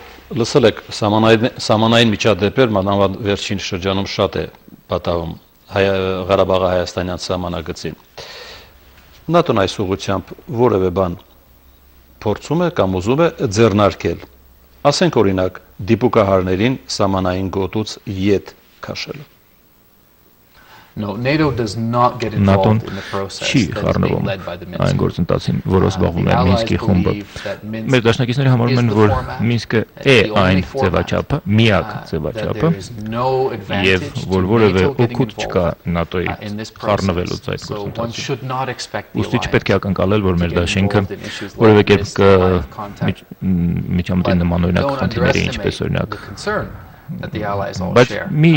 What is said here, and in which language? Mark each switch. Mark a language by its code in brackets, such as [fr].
[hy] լսել եք, սամանային միջադեպեր մանավանդ վերջին շրջանում շատ է պատահում Ղարաբաղը հայաստանյան սահմանագծին։ ՆԱՏՕ-ն այս ուղղությամբ որևէ բան փորձում է կամ ուզում է ձեռնարկել, ասենք օրինակ դիպուկահարներին սամանային գոտուց ետ քաշելը։ [en] No, NATO does not get involved in the process that's led by the Minsk. [hy] Այն գործընթացին, որը զբաղվում է Մինսկի խումբը։ Մեր դաշնակիցները համարում են, որ Մինսկը է այն ձևաչափը, միակ ձևաչափը, եւ որ որևէ օգուտ չկա ՆԱՏՕ-ի խառնվելուց այդ գործընթացին։ Ուստի չպետք է ակնկալել, որ մեր դաշինքը որևէ կերպ միջամտի նման օրինակ խնդիրների, ինչպես օրինակ [en] that the allies all share.